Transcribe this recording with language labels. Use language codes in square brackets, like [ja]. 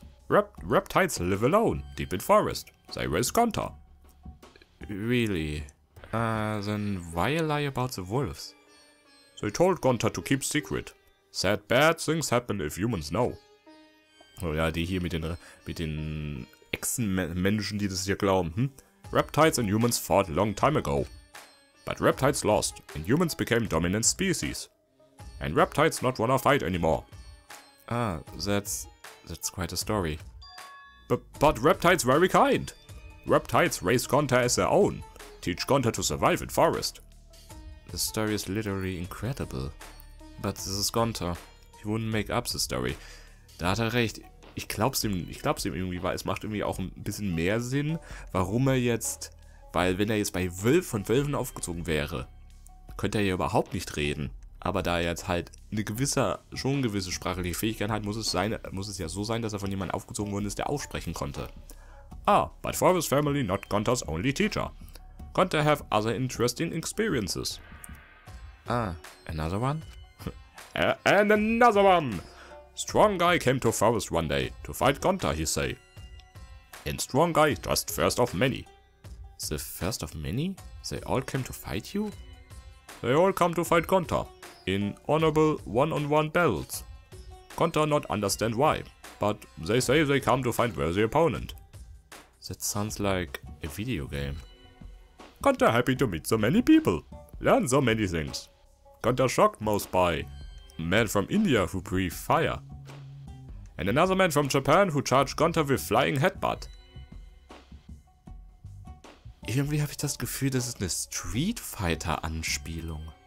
[en] Reptiles live alone, deep in forest. They raise Gonta. Really? Then why a lie about the wolves? They told Gonta to keep secret. Said bad things happen if humans know. [de] Oh ja, die hier mit den Echsenmenschen, die das hier glauben, [en] Reptiles and humans fought a long time ago. But reptiles lost, and humans became dominant species. And reptiles not wanna fight anymore. Ah, that's quite a story. But reptiles very kind. Reptiles raised Gonta as their own. Teach Gonta to survive in forest. The story is literally incredible. But this is Gonta. He wouldn't make up the story. [de] Da hat er recht. Ich glaub's ihm irgendwie, weil es macht irgendwie auch ein bisschen mehr Sinn, warum er jetzt. Weil wenn er jetzt bei Wölfen aufgezogen wäre, könnte er ja überhaupt nicht reden. Aber da er jetzt halt schon eine gewisse sprachliche Fähigkeit hat, muss es ja so sein, dass er von jemandem aufgezogen worden ist, der aufsprechen konnte. [en] Ah, but Forest Family not Gonta's only teacher. Gonta have other interesting experiences. Another one? And another one! Strong Guy came to forest one day to fight Gonta, he say. And Strong Guy just first of many. The first of many? They all came to fight you? They all come to fight Gonta in honorable one-on-one battles. Gonta not understand why, but they say they come to find worthy opponent. That sounds like a video game. Gonta happy to meet so many people, learn so many things. Gonta shocked most by a man from India who breathed fire. And another man from Japan who charged Gonta with flying headbutt. [de] Irgendwie habe ich das Gefühl, das ist eine Street Fighter Anspielung.